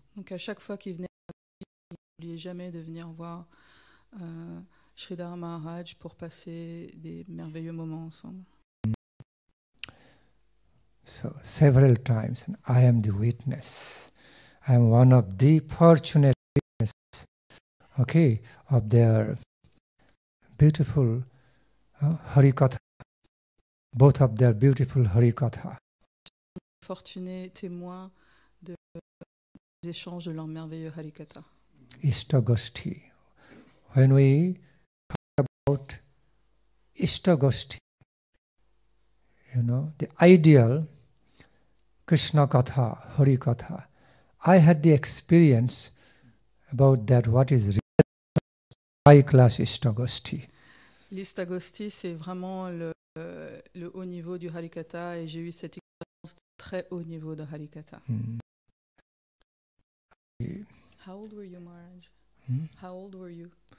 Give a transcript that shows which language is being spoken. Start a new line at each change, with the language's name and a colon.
French: Donc à chaque fois qu'il venait, il n'oubliait jamais de venir voir Sridhar Maharaj pour passer des merveilleux moments ensemble.
English: So, several times, and I am the witness. I am one of the fortunate. Okay, of their beautiful harikatha, both of their beautiful harikatha.
French: Fortuné témoin de des échanges de leur merveilleux harikatha.
Sanskrit: Ishtagoshti.
English: When we talk about Ishtagoshti, you know, the ideal Krishna katha, harikatha, I had the experience about that, what is real. High-class Ishtagosti.
French: L'Ishtagosti, c'est vraiment le haut niveau du Harikatha, et j'ai eu cette expérience de très haut niveau de Harikatha.
English: Mm. How old were you, Maharaj? Hmm? How old were you?